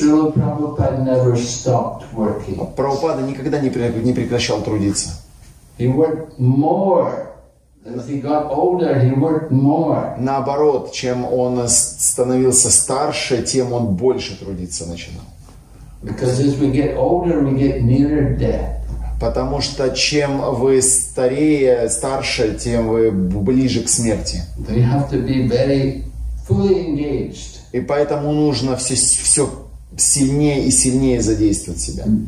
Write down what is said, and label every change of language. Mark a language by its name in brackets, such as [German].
[English] Srila Prabhupada never stopped working. [Russian] Прабхупада никогда не прекращал трудиться. [English] He worked more. As he got older, he worked more. [Russian] Наоборот, чем он становился старше, тем он больше трудиться начинал. [English] Because as we get older, we get nearer death. [Russian] Потому что чем вы старее, старше, тем вы ближе к смерти. [English] We have to be very fully engaged. [Russian] И поэтому нужно все сильнее и сильнее задействовать себя.